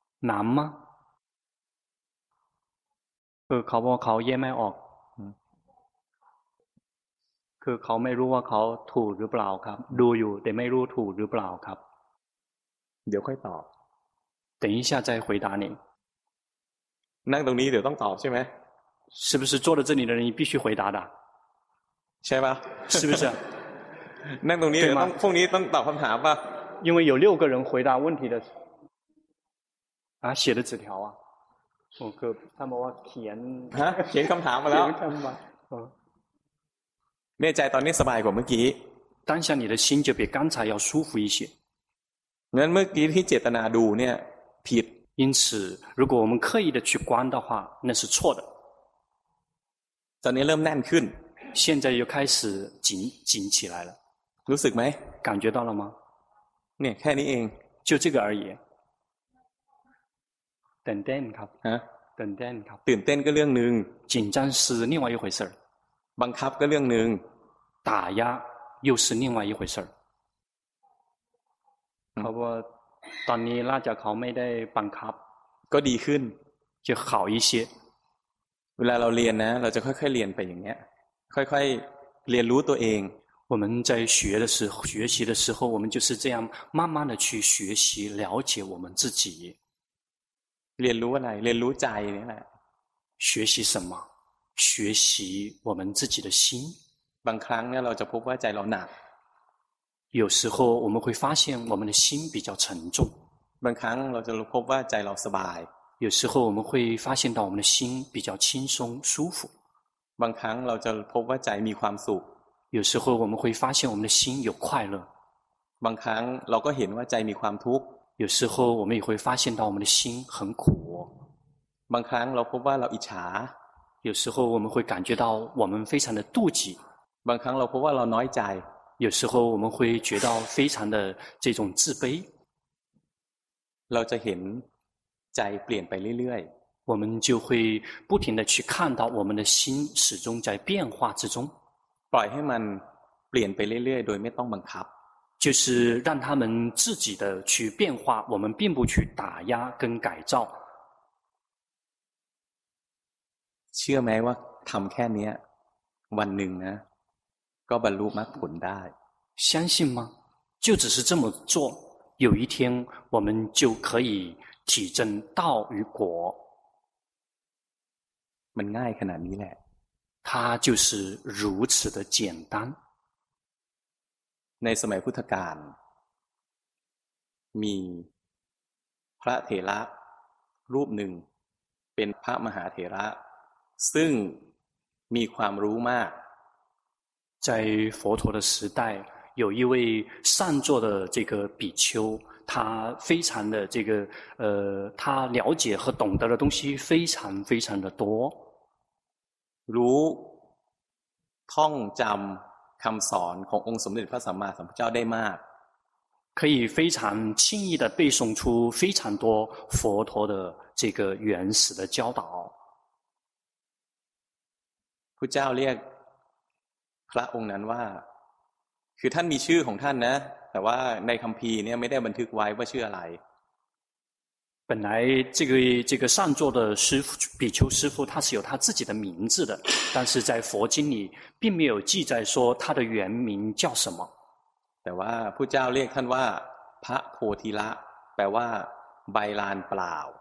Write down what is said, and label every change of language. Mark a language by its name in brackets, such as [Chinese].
[Thai] 难吗เขาบอกเขาแยกไม่ออกคือเขาไม่รู้ว่าเขาถูกหรือเปล่าครับดูอยู่แต่ไม่รู้ถูกหรือเปล่าครับ เดี๋ยวค่อยตอบ [Chinese] 等一下再回答你 [Thai] นั่งตรงนี้เดี๋ยวต้องตอบใช่ไหม [Chinese] 是不是坐在这里的人必须回答的 [Thai] ใช่ป่ะ [Chinese] 是不是 [Thai] นั่งตรงนี้เดี๋ยวต้องพรุ่งนี้ต้องตอบคำถามป่ะ [Chinese] 因为有六个人回答问题的啊写的纸条啊我哥他们说填啊填 [Thai] คำถามมาแล้วเนี่ยใจตอนนี้สบายกว่าเมื่อกี้ [Chinese] 当下你的心就比刚才要舒服一些 [Thai] งั้นเมื่อกี้ที่เจตนาดูเนี่ยผิด [Chinese] 因此如果我们刻意的去观的话那是错的 [Thai] ตอนนี้เริ่มแน่นขึ้น [Chinese] 现在又开始紧起来了 [Thai] รู้สึกไหม [Chinese] 感觉到了吗 [Thai] เนี่ยแค่นี้เอง [Chinese] 就这个而已 [Thai] ตื่นเต้นครับ ฮะ ตื่นเต้นครับ ตื่นเต้นก็เรื่องนึง [Chinese] 紧张是另外一回事 [Thai] บังคับก็เรื่องหนึ่ง [Chinese] 打压又是另外一回事儿 [Thai] เพราะว่าตอนนี้ล่าจะเขาไม่ได้บังคับ ก็ดีขึ้น [Chinese] 就好一些 [Thai] เวลาเราเรียนนะเราจะค่อยๆเรียนไปอย่างเงี้ยค่อยๆเรียนรู้ตัวเอง [Chinese] 我们在学习的时候我们就是这样慢慢的去学习了解我们自己 [Thai] เรียนรู้อะไรเรียนรู้ใจนี่แหละ [Chinese] 学习什么学习我们自己的心。 [Thai] บางครั้งเนี่ยเราจะพบว่าใจเราหนัก [Chinese] 有时候我们会发现我们的心比较沉重。 [Thai] บางครั้งเราจะพบว่าใจเราสบาย [Chinese] 有时候我们会发现到我们的心比较轻松舒服。 [Thai] บางครั้งเราจะพบว่าใจมีความสุข [Chinese] 有时候我们会发现我们的心有快乐。 [Thai] บางครั้งเราก็เห็นว่าใจมีความทุกข์ [Chinese] 有时候我们也会发现到我们的心很苦。 [Thai] บางครั้งเราพบว่าเราอิจฉา [Chinese] 有时候我们会感觉到我们非常的妒忌。 [Thai] บางครั้งเราพบว่าเราน้อยใจ [Chinese] 有时候我们会觉得非常的这种自卑。 [Thai] เราจะเห็นใจเปลี่ยนไปเรื่อย [Chinese] ๆ我们就会不停地去看到我们的心始终在变化之中。 [Thai] ปล่อยให้มันเปลี่ยนไปเรื่อยๆโดยไม่ต้องบังคับ [Chinese] 就是让他们自己的去变化，我们并不去打压跟改造。 [Thai] เชื่อไหมว่าทำแค่นี้วันหนึ่งนะก็บรรลุมรรคผลได้ [Chinese] 相信吗就只是这么做有一天我们就可以体证道与果 [Thai] มันง่ายขนาดนี้แหละ [Chinese] 它就是如此的简单 [Thai] ในสมัยพุทธกาลมีพระเถระรูปหนึ่งเป็นพระมหาเถระซึ่งมีความรู้มาก [Chinese] 在佛陀的时代有一位善坐的这个比丘他非常的这个他了解和懂得的东西非常非常的多 [Thai] รู้ท่องจำคำสอนขององค์สมเด็จพระสัมมาสัมพุทธเจ้าได้มาก [Chinese] 可以非常轻易的背诵出非常多佛陀的这个原始的教导 [Thai] พุทธเจ้าเรียกพระองค์นั้นว่าคือท่านมีชื่อของท่านนะแต่ว่าในคัมภีร์เนี่ยไม่ได้บันทึกไว้ว่าชื่ออะไร [Chinese] 本来这个善坐的师父比丘师父他是有他自己的名字的但是在佛经里并没有记载说他的原名叫什么 [Thai] แต่ว่าพุทธเจ้าเรียกท่านว่าพระโพธิละแปลว่าใบลานเปล่า